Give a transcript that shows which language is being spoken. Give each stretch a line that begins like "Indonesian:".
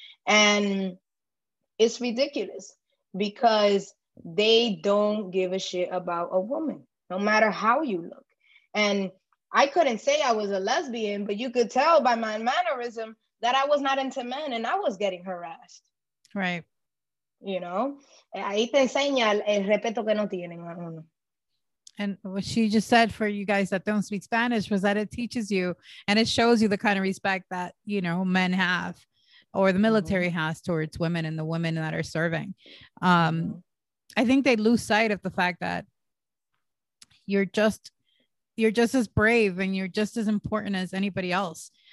English: And it's ridiculous because they don't give a shit about a woman, no matter how you look. And I couldn't say I was a lesbian, but you could tell by my mannerism that I was not into men and I was getting harassed. Right. You know?
Spanish: Ahí te enseña el respeto que no tienen a uno.
English: And what she just said for you guys that don't speak Spanish was that it teaches you and it shows you the kind of respect that, you know, men have or the military mm-hmm. has towards women and the women that are serving. Mm-hmm. I think they lose sight of the fact that you're just as brave and you're just as important as anybody else.